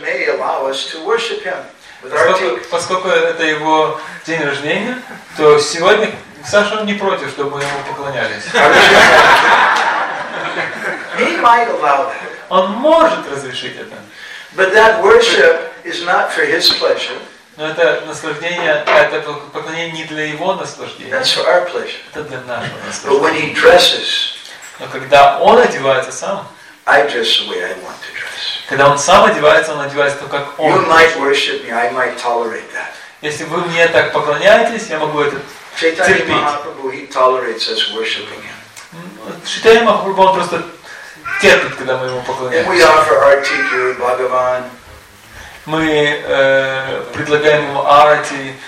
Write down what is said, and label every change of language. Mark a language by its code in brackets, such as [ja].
[en] may allow us to worship him. [ru] Поскольку это его день рождения, то сегодня Саша не против, чтобы мы ему поклонялись. [en] He might allow that. [ru] Он может разрешить это. [en] But that worship is not for his pleasure. [ru] Но это наслаждение, это поклонение не для его наслаждения. [en] That's for our pleasure. [ru] Это для нашего наслаждения. [en] But when he dresses. [ru] Но когда он одевается сам, [en] I dress the way I want to dress. [ru] Когда он сам одевается, он одевается то, как он. [en] You might worship me, I might tolerate that. [ru] Если вы мне так поклоняетесь, я могу это терпеть. [en] He tolerates us worshiping him. [ru] Читаем Махапрабху, он просто терпит, когда мы ему поклоняемся. [en] We offer arti to Bhagavan. [ru] Мы предлагаем ему арати.